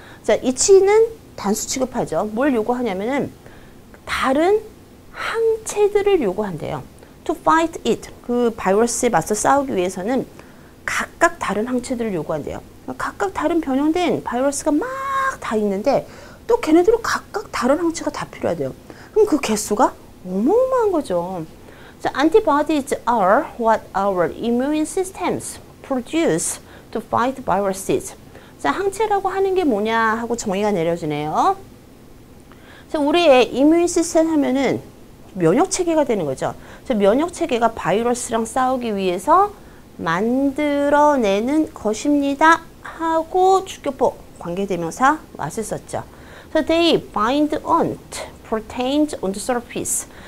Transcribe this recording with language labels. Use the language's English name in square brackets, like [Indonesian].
[Korean] 자, 이치는 단수 취급하죠. 뭘 요구하냐면은 다른 항체들을 요구한대요. [English] To fight it. [Korean] 그 바이러스에 맞서 싸우기 위해서는 각각 다른 항체들을 요구한대요. 각각 다른 변형된 바이러스가 막 다 있는데 또 걔네들은 각각 다른 항체가 다 필요하대요. 그럼 그 개수가 어마어마한 거죠. [English] So antibodies are what our immune systems produce to fight viruses. [Korean] 자, 항체라고 하는 게 뭐냐 하고 정의가 내려지네요. 자, 우리의 immune system 하면은 면역 체계가 되는 거죠. 자, 면역 체계가 바이러스랑 싸우기 위해서 만들어내는 것입니다. 하고 주격법 관계대명사 왔을 썼죠. [English] So they bind on proteins on the surface.